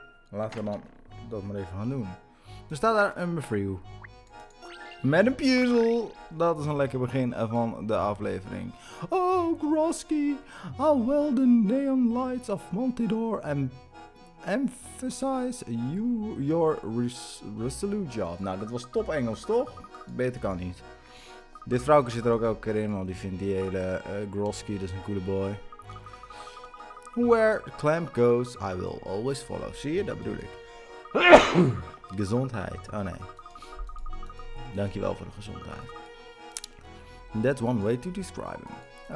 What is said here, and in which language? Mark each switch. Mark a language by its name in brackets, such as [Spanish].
[Dutch] Laten we dan dat maar even gaan doen. Er staat daar een review. Met een puzzel. Dat is een lekker begin van de aflevering. Oh, Grosky. [English] How well the neon lights of Montidor emphasize your resolute job. [Dutch] Nou, dat was top Engels, toch? Beter kan niet. Dit vrouwke zit er ook elke keer in, want die vindt die hele Grosky, dat is een coole boy. [English] Where Clamp goes, I will always follow. [Dutch] Zie je, dat bedoel ik. Gezondheid. Oh, nee. Dankjewel voor de gezondheid. [English] That's one way to describe him.